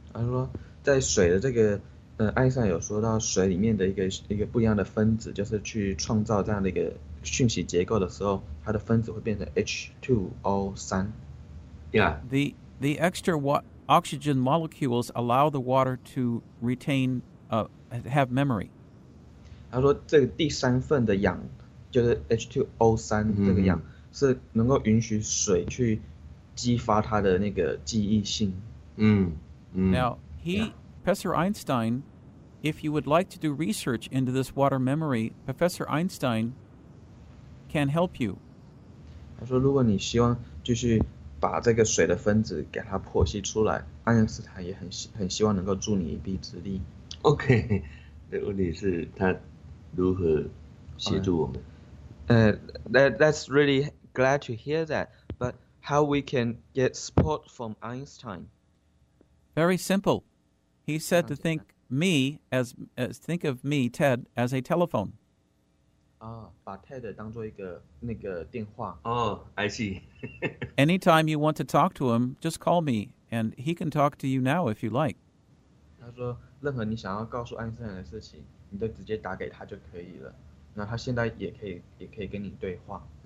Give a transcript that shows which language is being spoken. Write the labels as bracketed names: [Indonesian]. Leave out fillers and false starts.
[Chinese] 他说在水的这个爱因斯坦有说到水里面的一个不一样的分子，就是去创造这样的一个讯息结构的时候，它的分子会变成 H2O3. [English] Yeah. The extra oxygen molecules allow the water to retain, have memory. [Chinese] 他说这个第三份的氧就是 H2O3 这个样、mm-hmm. 是能够允许水去激发它的那个记忆性。 [English] Now, Professor Einstein, if you would like to do research into this water memory, Professor Einstein can help you. [Chinese] 他说如果你希望继续把这个水的分子给它剖析出来，爱因斯坦也很希望能够助你一臂之力。 OK, 的问题是他如何协助我们。 [English] That's really glad to hear that. But how we can get support from Einstein? Very simple. He said to think me as think of me, Ted, as a telephone. [Chinese] Ah, 把 Ted 当作一个那个电话。 [English] Oh, I see. Anytime you want to talk to him, just call me, and he can talk to you now if you like. [Chinese] 他说任何你想要告诉爱因斯坦的事情，你都直接打给他就可以了。那他现在也可以跟你对话。